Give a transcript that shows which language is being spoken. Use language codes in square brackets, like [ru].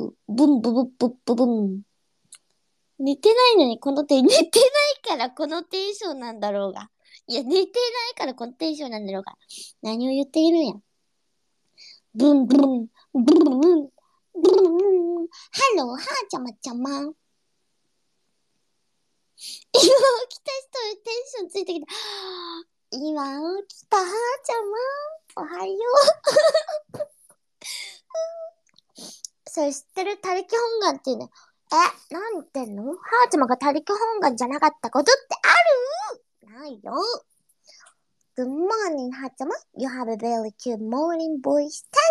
[ja] Boom, boom, boom, boom, boom. 寝てないのにこの手、寝てないからこのテンションなんだろうが。いや、寝てないからこのテンションなんだろうが。何を言っているんや。ブンブン、ブンブン、ブンブン。ハロー、はーちゃまちゃま。今起きた人にテンションついてきた。今起きた、はーちゃま。おはよう。それ知ってる？他力本願っていうね。え、なんてんの？ハーチマが他力本願じゃなかったことってある？ないよ。 [en] Good morning, ハーチマ。 You have a very cute morning voice.